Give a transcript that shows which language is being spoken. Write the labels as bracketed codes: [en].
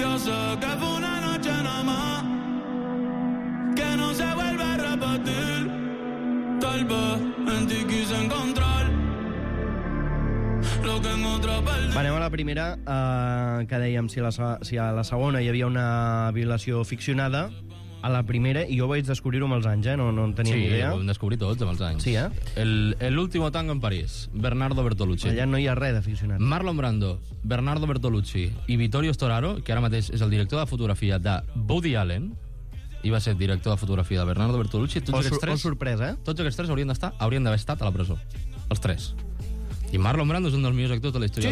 [es] Yo sé que fue una noche nada más, que no se vuelve a repetir. Tal vez en ti quise encontrar lo que en otra perdí. [ca] Anem a la primera, que dèiem si a la segona hi havia una violació ficcionada. A la primera, i jo vaig descobrir-ho amb els anys, no en tenia sí, ni idea. Sí, ho vam descobrir tots amb els anys. Sí, L'Último Tango en París, Bernardo Bertolucci. Allà no hi ha res d'aficionat. Marlon Brando, Bernardo Bertolucci i Vittorio Storaro, que ara mateix és el director de fotografia de Woody Allen, i va ser director de fotografia de Bernardo Bertolucci. Tots aquests tres haurien d'haver estat a la presó. Els tres. I Marlon Brando és un dels millors actors de la història.